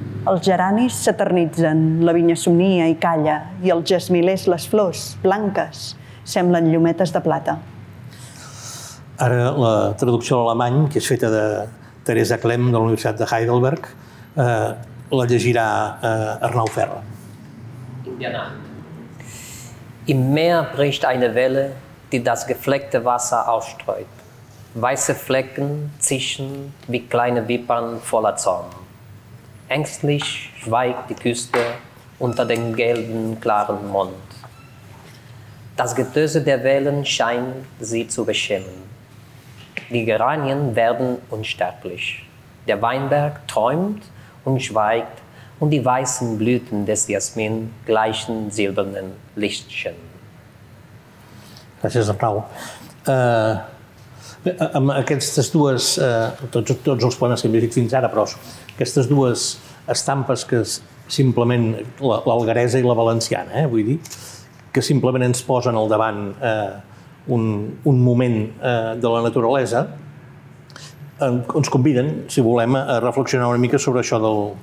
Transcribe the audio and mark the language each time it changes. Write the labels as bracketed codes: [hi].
[ca] Els geranis s'eternitzen, la vinya somnia i calla, i els jasmilers, les flors, blanques, semblen llumetes de plata. Ara la traducció a l'alemany, que és feta de Teresa Klemm de la Universitat de Heidelberg, la llegirà Arnau Ferra. [de] Im Meer bricht eine Welle, die das gefleckte Wasser ausstreut. Weiße Flecken zischen wie kleine Wimpern voller Zorn. Ängstlich schweigt die Küste unter dem gelben, klaren Mond. Das Getöse der Wellen scheint sie zu beschämen. Die Geranien werden unsterblich. Der Weinberg träumt und schweigt, und die weißen Blüten des Jasmin gleichen silbernen Lichtchen. [ca] Gràcies, Arnau. Amb aquestes dues, tots els poemes que hem llegit fins ara, però aquestes dues estampes que és simplement l'algaresa i la valenciana, vull dir, que simplement ens posen al davant un moment de la naturalesa, ens conviden, si volem, a reflexionar una mica sobre això del...